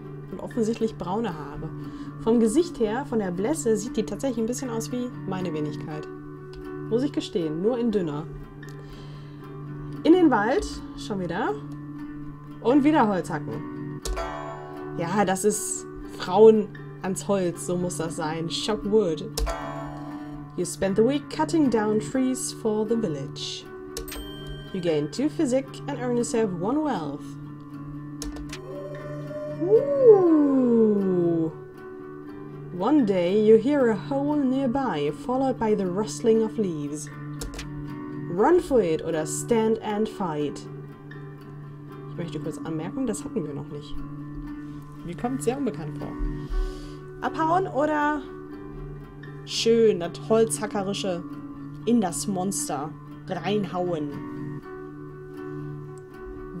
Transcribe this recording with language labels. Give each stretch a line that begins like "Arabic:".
German: Und offensichtlich braune Haare. Vom Gesicht her, von der Blässe, sieht die tatsächlich ein bisschen aus wie meine Wenigkeit. Muss ich gestehen, nur in dünner. In den Wald, schon wieder. Und wieder Holz hacken. Ja, das ist Frauen ans Holz, so muss das sein.
English: Chop wood. You spend the week cutting down trees for the village. You gain two physic and earn yourself one wealth. Ooh. One day you hear a howl nearby, followed by the rustling of leaves. Run for it oder stand and fight.
German: Ich möchte kurz anmerken, das hatten wir noch nicht. Mir kommt sehr unbekannt vor. Abhauen oder schön das Holzhackerische in das Monster reinhauen.